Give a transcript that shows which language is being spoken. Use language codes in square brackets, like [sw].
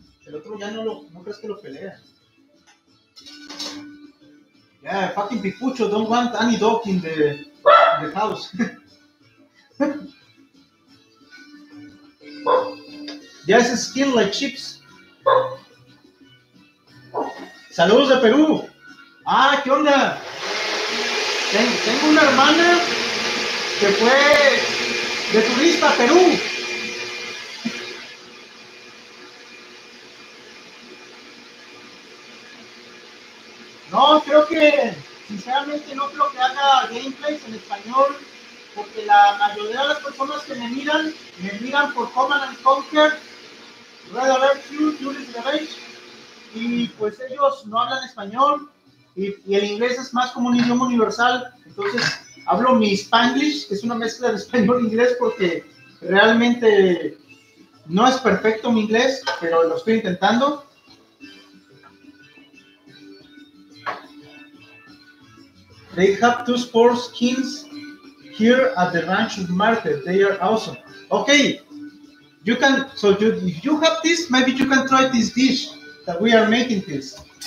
[es] El otro ya no crees que lo pelea. [en] Yeah, fucking Pipucho don't want any dog in the house. Yes, it's skin like chips. [es] Saludos de Perú. Ah, ¿qué onda? Tengo una hermana que fue de turista a Perú. No, creo que, sinceramente, no creo que haga gameplays en español, porque la mayoría de las personas que me miran por Command and Conquer, Red Alert 2, Julius LeRage, y pues ellos no hablan español, y el inglés es más como un idioma universal, entonces hablo mi Spanglish, que es una mezcla de español e inglés, porque realmente no es perfecto mi inglés, pero lo estoy intentando. [en] They have two sports kings here at the Rancho Market. They are awesome. Okay. You can, so you, if you have this, maybe you can try this dish that we are making this.